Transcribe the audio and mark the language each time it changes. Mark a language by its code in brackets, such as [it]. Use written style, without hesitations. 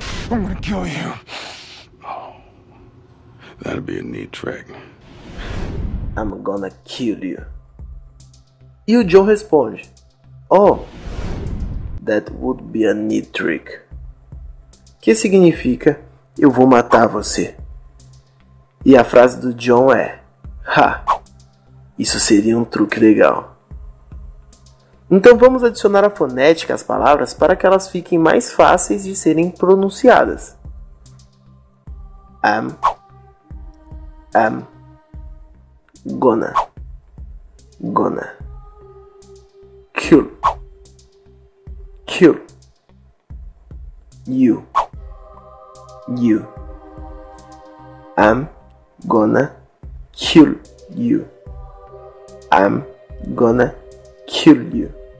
[en] I'm gonna kill you. Oh, that'd be a neat trick. I'm gonna kill you. [pt] E o John responde: [en] Oh, that would be a neat trick. [pt] Que significa: eu vou matar você. E a frase do John é: Ha, isso seria um truque legal. Então vamos adicionar a fonética às palavras para que elas fiquem mais fáceis de serem pronunciadas. [en] I'm gonna, gonna, kill, kill, you, I'm gonna kill you, I'm gonna kill you.